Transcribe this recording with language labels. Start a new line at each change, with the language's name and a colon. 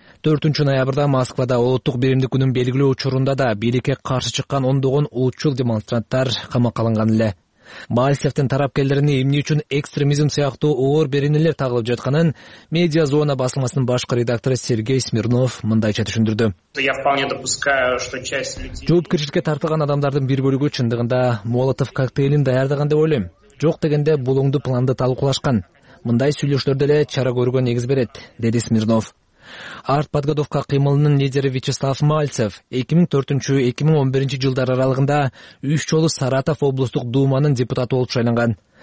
Kyrgyz: 4 ноябрда Москвада улуттук биримдик күнүн белгилүү учурунда да бийликке каршы чыккан ондогон улутчул демонстранттар камакка алынган эле. Мальцевдин тарапкерлерине эмне үчүн экстремизм сыяктуу оор беренелер тагылып жатканын медиа зона басылмасынын башкы редактору Сергей Смирнов мындайча түшүндүрдү.
Russian: Я вполне допускаю, что часть людей.
Kyrgyz: Жоопкерчиликке тартылган адамдардын бир бөлүгү чындыгында Молотов коктейлин даярдаган деп ойлойм. Жок дегенде булуңду планды талкуулашкан. Мындай сүйлөшүүлөрдө эле чара көргөн негиз берет, деди Смирнов. Артподготовка кыймылынын лидери Вячеслав Мальцев 2004-2011 жылдар аралыгында 3 жолу Саратов облустук дууманын депутаты болуп шайланган.